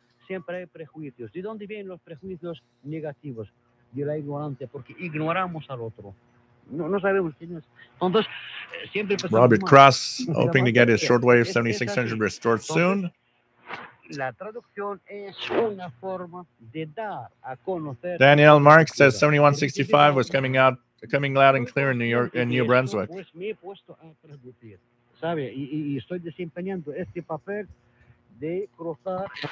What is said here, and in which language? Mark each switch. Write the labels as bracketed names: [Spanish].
[Spanish] Siempre hay prejuicios. ¿De dónde vienen los prejuicios negativos? De la ignorancia, porque ignoramos al otro. No sabemos quién es. Entonces, siempre. [English] Robert Cross, hoping to get his shortwave 7600 restored soon. [Spanish] La traducción es una forma de dar a conocer. [English] Daniel Marx says 7165 was coming out. Coming loud and clear in New York and New Brunswick. [Spanish] Pues me he puesto a traducir, ¿sabe? Y estoy desempeñando este papel de cruzar.